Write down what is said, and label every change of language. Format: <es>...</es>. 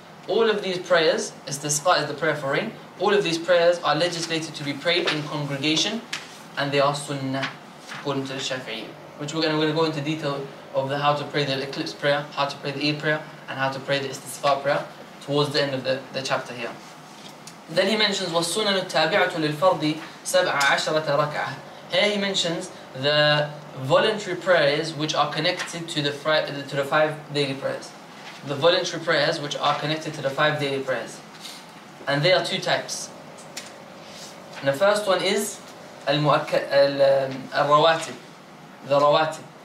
<en>All of these prayers, istisqa is the prayer for rain. All of these prayers are legislated to be prayed in congregation, and they are sunnah according to the Shafi'i. Which we're going to go into detail of the how to pray the eclipse prayer, how to pray the Eid prayer, and how to pray the istisqa prayer towards the end of the chapter here. Then he mentions</en> <ar>والسنن التابعة للفرض سبع عشرة ركعة.</ar> <en>Here he mentions the voluntary prayers which are connected to the five daily prayers. The voluntary prayers which are connected to the five daily prayers. And there are two types. And the first one is al-rawatib. The rawatib.</en>